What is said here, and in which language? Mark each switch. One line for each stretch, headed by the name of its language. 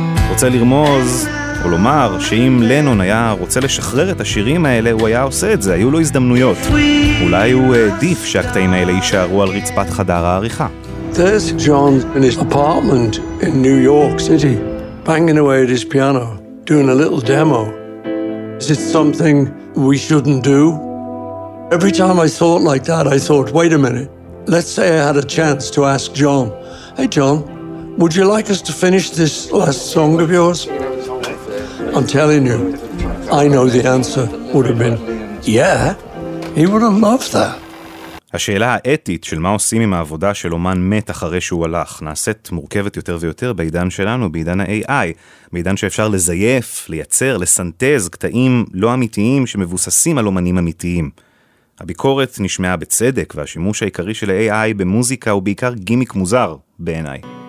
Hebrew: רוצה לרמוז או לומר שאם לנון היה רוצה לשחרר את השירים האלה, הוא היה עושה את זה, היו לו הזדמנויות. אולי הוא העדיף שהקטעים האלה יישארו על רצפת חדר העריכה.
English: There's John in his apartment in New York City, banging away at his piano, doing a little demo. Is it something we shouldn't do? Every time I thought like that, I thought, wait a minute. Let's say I had a chance to ask John, hey John, would you like us to finish this last song of yours? I'm telling you, I know the answer would have been, yeah, he would have loved that.
Hebrew: השאלה האתית של מה עושים עם העבודה של אומן מת אחרי שהוא הלך, נעשית מורכבת יותר ויותר בעידן שלנו, בעידן ה-AI, בעידן שאפשר לזייף, לייצר, לסנטז קטעים לא אמיתיים שמבוססים על אומנים אמיתיים. הביקורת נשמעה בצדק, והשימוש העיקרי של ה-AI במוזיקה הוא בעיקר גימיק מוזר בעיניי.